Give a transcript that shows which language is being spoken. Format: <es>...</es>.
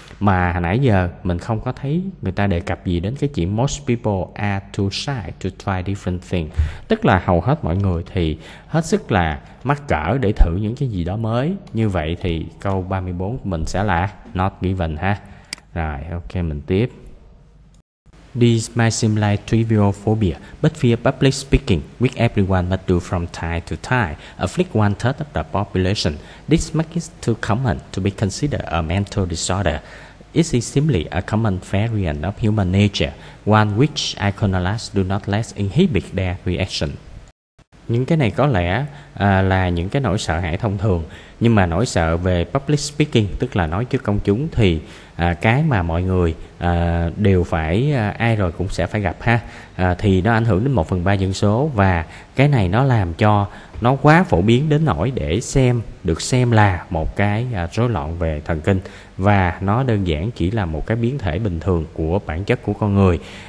<vi>Mà hồi nãy giờ mình không có thấy người ta đề cập gì đến cái chuyện</vi> <en>most people are too shy to try different things.</en> <vi>Tức là hầu hết mọi người thì hết sức là mắc cỡ để thử những cái gì đó mới. Như vậy thì câu 34 của mình sẽ là not given ha. Rồi, ok, mình tiếp.</vi> <en>These might seem like trivial phobia, but fear public speaking, which everyone must do from time to time, afflict one third of the population. This makes it too common to be considered a mental disorder. It is simply a common variant of human nature, one which iconoclasts do not less inhibit their reaction.</en> <vi>Những cái này có lẽ là những cái nỗi sợ hãi thông thường, nhưng mà nỗi sợ về public speaking, tức là nói trước công chúng, thì cái mà mọi người đều phải ai rồi cũng sẽ phải gặp ha, thì nó ảnh hưởng đến 1/3 dân số, và cái này nó làm cho nó quá phổ biến đến nỗi để được xem là một cái rối loạn về thần kinh, và nó đơn giản chỉ là một cái biến thể bình thường của bản chất của con người.</vi>